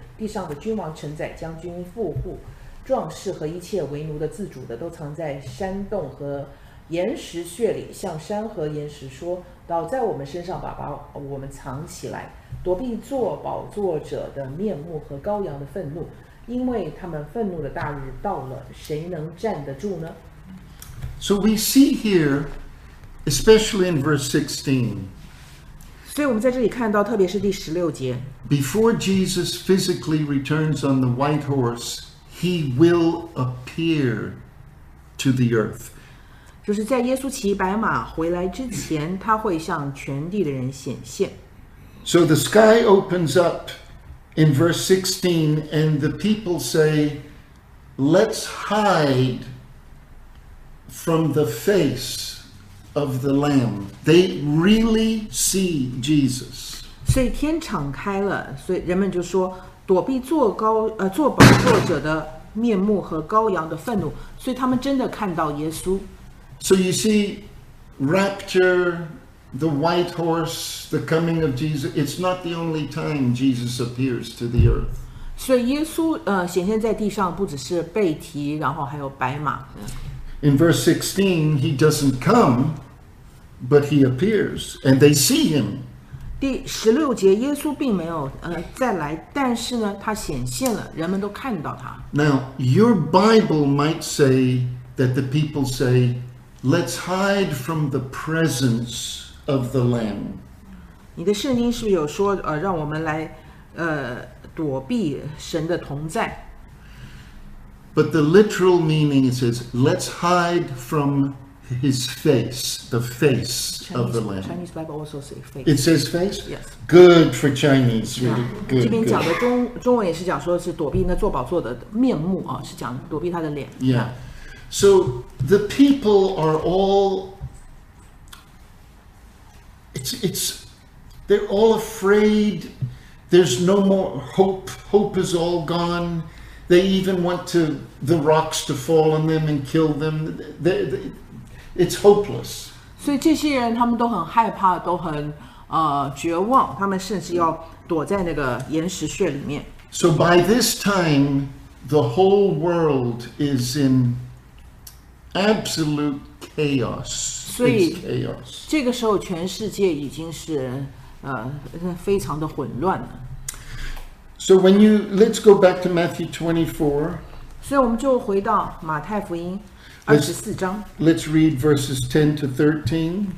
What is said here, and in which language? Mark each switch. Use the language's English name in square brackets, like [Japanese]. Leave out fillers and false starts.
[Chinese] 地上的君王、臣宰、将军、富户、壮士和一切为奴的、自主的，都藏在山洞和岩石穴里，向山和岩石说：“倒在我们身上吧，把我们藏起来，躲避坐宝座者的面目和羔羊的愤怒，因为他们愤怒的大日到了，谁能站得住呢？” [English] So we see here, especially in verse 16. [Chinese] 所以我们在这里看到，特别是第十六节。 [English] Before Jesus physically returns on the white horse, he will appear to the earth. [Chinese] 就是在耶稣骑白马回来之前，他会向全地的人显现。 [English] So the sky opens up in verse 16, and the people say, "Let's hide from the face." Of the Lamb, they really see Jesus. [Chinese] 所以天敞开了，所以人们就说躲避坐宝座者的面目和羔羊的愤怒。所以他们真的看到耶稣。 [English] So you see, rapture, the white horse, the coming of Jesus. It's not the only time Jesus appears to the earth. [Chinese] 所以耶稣显现在地上，不只是被提，然后还有白马。 [English] In verse 16, he doesn't come, but he appears, and they see him. [Chinese] 第十六节，耶稣并没有再来，但是呢，他显现了，人们都看到他。 [English] Now your Bible might say that the people say, "Let's hide from the presence of the Lamb." [Chinese] 你的圣经是不是有说让我们来躲避神的同在？ [English] But the literal meaning says, "Let's hide from." His face, the face Chinese, of the Lamb. Chinese Bible also says face. It says face? Yes. Good for Chinese. Really good, good. [Chinese] 这边讲的中中文也是讲说是躲避那坐宝座的面目啊，是讲躲避他的脸。 [English] Yeah. So the people are all, it's, they're all afraid. There's no more hope. Hope is all gone. They even want to, the rocks to fall on them and kill them. It's hopeless. [Chinese] 所以这些人他们都很害怕，都很绝望。他们甚至要躲在那个岩石穴里面。 [English] So by this time, the whole world is in absolute chaos. [Chinese] 所以 [English] It's chaos. [Chinese] 这个时候全世界已经是非常的混乱了。 [English] So when you let's go back to Matthew 24. [Chinese] 所以我们就回到马太福音。 [English] Let's read verses 10 to 13.